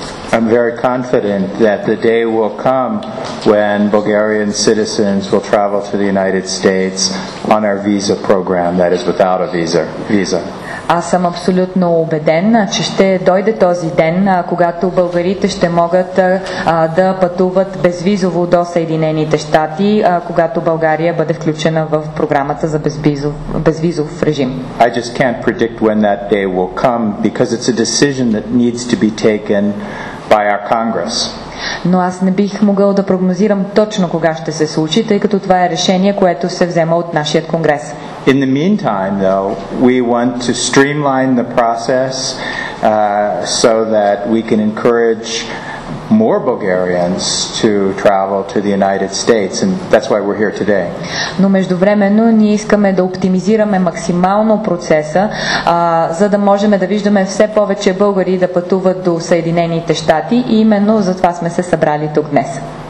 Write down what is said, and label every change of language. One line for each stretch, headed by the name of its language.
English: I'm very confident that the day will come when Bulgarian citizens will travel to the United States on our visa program, that is without a visa.
Bulgarian: Аз съм абсолютно убеден, че ще дойде този ден, когато българите ще могат да пътуват безвизово до Съединените щати, когато България бъде включена в програмата за безвизов режим.
English: I just can't predict when that day will come because it's a decision that needs to be taken by our Congress.
Bulgarian: Но аз не бих могъл да прогнозирам точно кога ще се случи, тъй като това е решение, което се взема от нашия конгрес.
English: In the meantime, though, we want to streamline the process so that we can encourage more Bulgarians to travel to the United States, and that's why we're here today.
Bulgarian: Но междувременно ние искаме да оптимизираме максимално процеса, за да можем да виждаме все повече българи да пътуват до Съединените щати, и именно затова сме се събрали тук днес.